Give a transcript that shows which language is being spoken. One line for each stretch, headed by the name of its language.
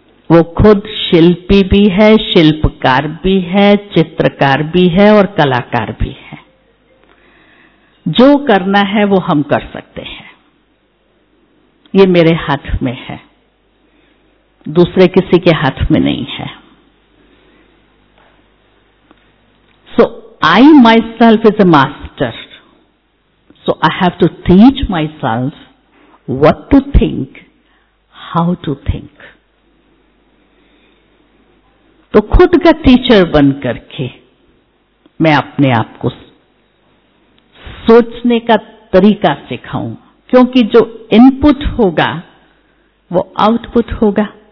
Hindi: वो खुद शिल्पी भी है, शिल्पकार भी है, चित्रकार भी है और कलाकार भी है। जो करना है वो हम कर सकते हैं, ये मेरे हाथ में है, दूसरे किसी के हाथ में नहीं है।
English: I myself is a master, so I have to teach myself what to think, how to think.
Hindi: तो खुद का टीचर बन करके मैं अपने आप को सोचने का तरीका सिखाऊं, क्योंकि जो इनपुट होगा वो आउटपुट होगा।